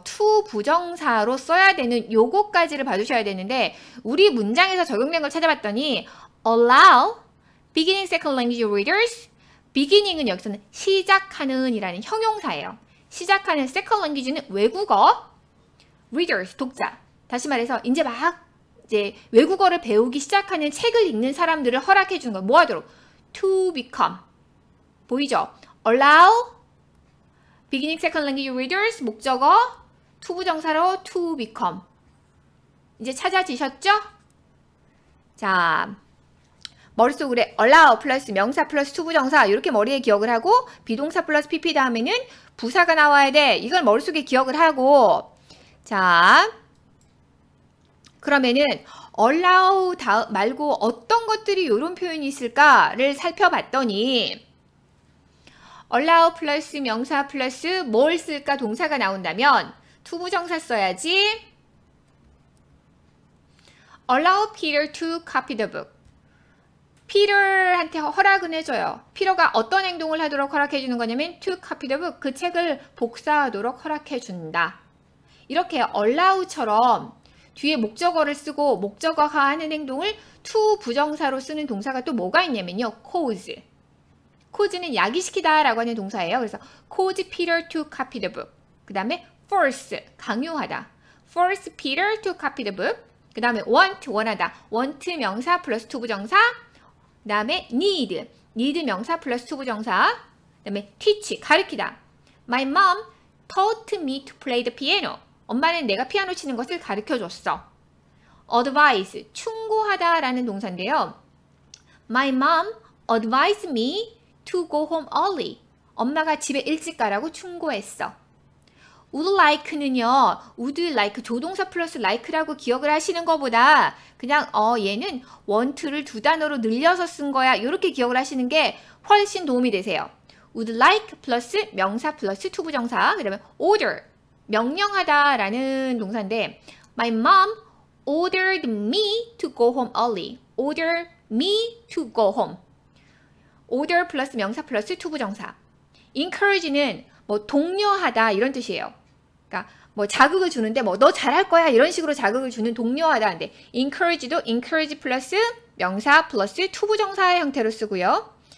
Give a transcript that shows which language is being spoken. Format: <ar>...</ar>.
<ko>to 부정사로 써야 되는 요거까지를 봐주셔야 되는데 우리 문장에서 적용된 걸 찾아봤더니</ko> <en>allow beginning second language readers</en> <ko>beginning은 여기서는 시작하는 이라는 형용사예요. 시작하는 second language는 외국어 readers 독자 다시 말해서 이제 막 이제 외국어를 배우기 시작하는 책을 읽는 사람들을 허락해 주는 거 뭐하도록</ko> <en>to become</en> <ko>보이죠? allow</ko> <en>Beginning second language readers,</en> <ko>목적어,</ko> <en>to</en> <ko>부정사로</ko> <en>to become.</en> <ko>이제 찾아지셨죠? 자, 머릿속으로 allow 플러스 명사 플러스 to 부정사 이렇게 머리에 기억을 하고 비동사 플러스 pp 다음에는 부사가 나와야 돼. 이걸 머릿속에 기억을 하고 자, 그러면은 allow 말고 어떤 것들이 이런 표현이 있을까를 살펴봤더니 allow 플러스 명사 플러스 뭘 쓸까 동사가 나온다면 to 부정사 써야지</ko> <en>allow Peter to copy the book.</en> <ko>피터한테 허락은 해줘요. 피터가 어떤 행동을 하도록 허락해주는 거냐면</ko> <en>to copy the book,</en> <ko>그 책을 복사하도록 허락해준다. 이렇게 allow처럼 뒤에 목적어를 쓰고 목적어가 하는 행동을 to 부정사로 쓰는 동사가 또 뭐가 있냐면요.</ko> <en>cause.</en> <ko>cause는 야기시키다 라고 하는 동사예요. 그래서</ko> <en>cause Peter to copy the book.</en> <ko>그 다음에 force, 강요하다.</ko> <en>force Peter to copy the book.</en> <ko>그 다음에 want, 원하다. want 명사 플러스 to 부정사. 그 다음에 need, need 명사 플러스 to 부정사. 그 다음에 teach, 가르치다.</ko> <en>My mom taught me to play the piano.</en> <ko>엄마는 내가 피아노 치는 것을 가르쳐줬어. advise, 충고하다 라는 동사인데요.</ko> <en>My mom advised me to go home early.</en> <ko>엄마가 집에 일찍 가라고 충고했어. would like는요, would like, 조동사 플러스 like라고 기억을 하시는 것보다 그냥 얘는 want를 두 단어로 늘려서 쓴 거야 이렇게 기억을 하시는 게 훨씬 도움이 되세요.</ko> <en>would like</en> <ko>플러스 명사 플러스 to 부정사, 그 다음에 order, 명령하다 라는 동사인데</ko> <en>my mom ordered me to go home early. order me to go home.</en> <ko>order 플러스 명사 플러스 to 부정사. encourage는 뭐 독려하다 이런 뜻이에요. 그러니까 뭐 자극을 주는데 뭐 너 잘할 거야 이런 식으로 자극을 주는 독려하다인데 encourage도 encourage 플러스 명사 플러스 to 부정사의 형태로 쓰고요.</ko>